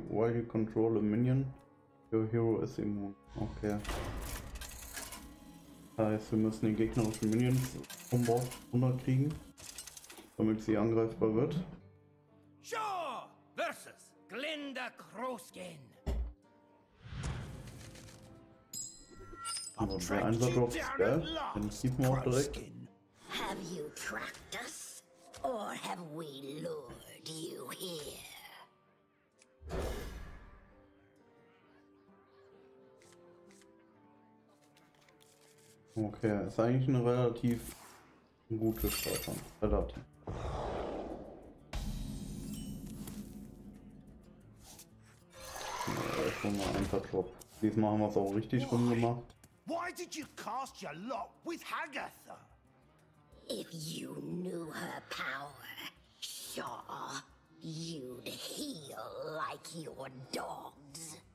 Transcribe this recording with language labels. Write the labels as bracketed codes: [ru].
[en] While you control a Minion, your hero is immune. Okay. [de] Heißt, wir müssen den gegnerischen Minions vom Board runterkriegen, damit sie angreifbar wird. [en] Shaw versus Glinda Crowskin. [de] Aber der Einsatzdruck ist geil, den ziehen wir auch direkt. [en] Have you tracked us? Or have we lured you here? [de] Okay, ist eigentlich eine relativ gute Steuerung. Relativ. Ja, schon mal ein paar Drop. Diesmal haben wir es auch richtig rum gemacht. [en] Why did you cast your lot with Hagatha? If you knew her power, sure, you'd heal like your dogs.